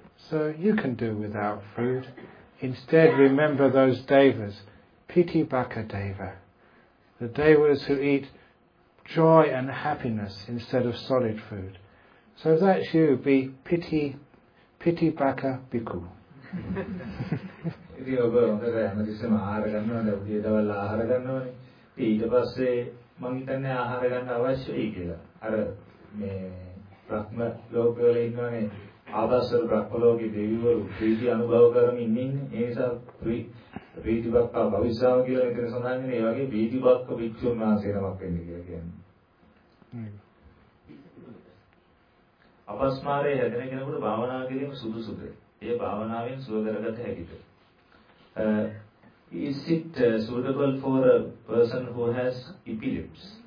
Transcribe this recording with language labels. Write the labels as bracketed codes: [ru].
[en] So you can do without food. Instead, remember those devas, Pitibhaka deva, the devas who eat joy and happiness instead of solid food. So if that's you, be piti baka bhikkhu. [si] ඉතින් ඔබ හොඳට හැමතිස්සෙම ආහාර ගන්නවද? උදේ දවල් ආහාර ගන්නවනේ. ඊට පස්සේ මම හිතන්නේ ආහාර ගන්න අවශ්‍ය වෙයි කියලා. අර මේ බ්‍රහ්ම ලෝකවල ඉන්නවනේ. ආවාසවල බ්‍රහ්ම ලෝකයේ දෙවිවරු ප්‍රීති අනුභව කරමින් ඉන්නේ. ඒ නිසා ප්‍රීති භක්ත භවිෂාව කියලා මෙතන සඳහන් වෙන ඒ වගේ ප්‍රීති භක්ත භික්ෂුන් වහන්සේ නමක් වෙන්නේ කියලා කියන්නේ. අපස්මාරයේ හැදෙන කෙනෙකුට භාවනා කිරීම සුදුසුද? ඒ භාවනාවෙන් සුව කරගත හැකිද? [en] Is it suitable for a person who has epilepsy?